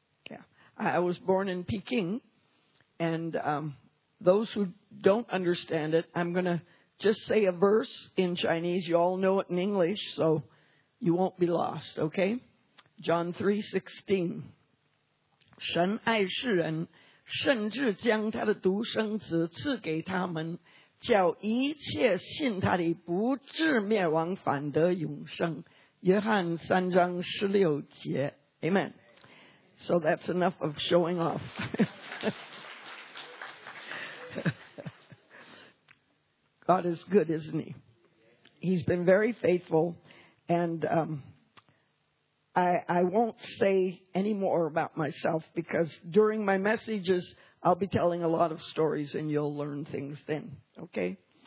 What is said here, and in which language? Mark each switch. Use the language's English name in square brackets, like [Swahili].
[English] Yeah. I was born in Peking. And those who don't understand it, I'm going to just say a verse in Chinese. You all know it in English, so you won't be lost, okay? John 3:16. [Chinese] 神爱世人, 甚至将他的独生子赐给他们, 叫一切信他的不至灭亡反得永生。约翰3:16节, amen. [English] So that's enough of showing off. God is good, isn't he? He's been very faithful. And I won't say any more about myself, because during my messages, I'll be telling a lot of stories and you'll learn things then. Okay?